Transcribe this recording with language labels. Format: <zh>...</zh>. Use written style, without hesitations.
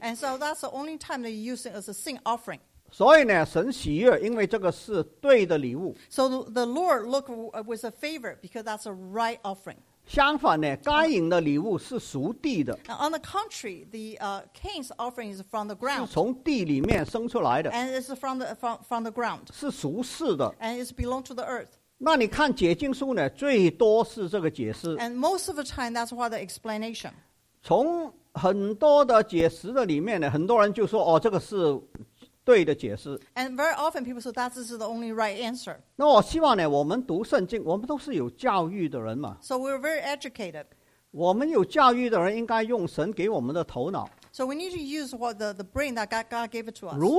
<en>And so that's the only time they use it as a sin offering.</en> <zh>所以呢，神喜悦，因为这个是对的礼物。</zh> <en>So the Lord looked with a favor because that's a right offering.</en> <zh>相反呢，该隐的礼物是属地的。</zh> <en>On the contrary, the Cain's offering is from the ground.</en> <zh>是从地里面生出来的。</zh> <en>And it's from the ground.</en> <zh>是属世的。</zh> <en>And it's belong to the earth.</en> <zh>那你看解经书呢，最多是这个解释。</zh> <en>And most of the time, that's what the explanation.</en> <zh>从很多的解释的里面呢，很多人就说，哦，这个是。对的解释,</zh> <en>and very often people say that this is the only right answer.</en> <zh>那我希望呢，我们读圣经，我们都是有教育的人嘛。</zh> <en>So we're very educated.</en> <zh>我们有教育的人应该用神给我们的头脑。</zh> <en>So we need to use what the brain that God gave it to us.</en>